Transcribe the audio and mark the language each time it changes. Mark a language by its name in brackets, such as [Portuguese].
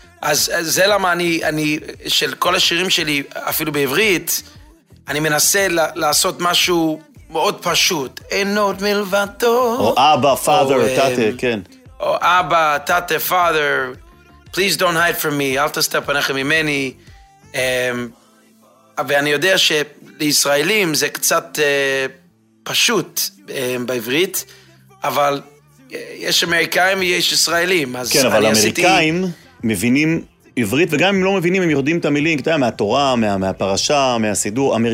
[Hebrew] אז זה למה אני, של כל השירים שלי, אפילו בעברית, אני מנסה לעשות משהו מאוד פשוט. אין עוד מלבדו. או אבא, father, tate, כן. או אבא, [English] tate, father, please don't hide from me, [Hebrew] אל תסתר פניכם ממני. ואני יודע ש... לישראלים זה קצת פשוט בעברית, אבל יש אמריקאים ויש ישראלים. אז כן, אבל אמריקאים מבינים עברית, וגם אם לא מבינים, הם יורדים את המילים, אתה יודע, מהתורה, מהפרשה, מהסידור.